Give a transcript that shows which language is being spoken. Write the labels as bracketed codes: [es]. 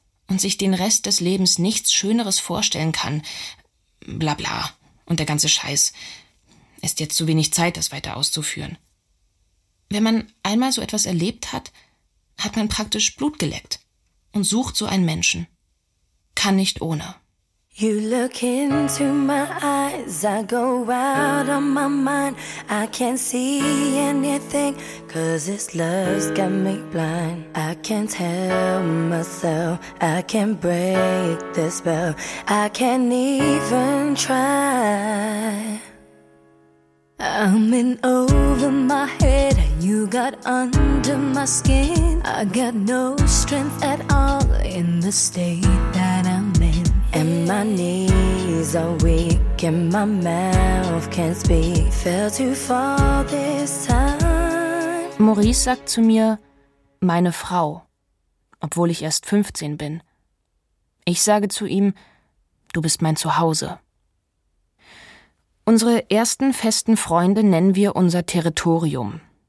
[de] und sich den Rest des Lebens nichts Schöneres vorstellen kann. Bla bla. Und der ganze Scheiß. Ist jetzt zu wenig Zeit, das weiter auszuführen. Wenn man einmal so etwas erlebt hat, hat man praktisch Blut geleckt und sucht so einen Menschen. Kann nicht ohne. [en] You look into my eyes, I go out of my mind. I can't see anything, cause this love's got me blind. I can't help myself, I can't break the spell. I can't even try. I'm in over my head, you got under my skin. I got no strength at all in the state that I'm in. And my knees are weak and my mouth can't speak. Fell too far this time. [de] Maurice sagt zu mir, meine Frau, obwohl ich erst 15 bin. Ich sage zu ihm, du bist mein Zuhause. Unsere ersten festen Freunde nennen wir unser Territorium.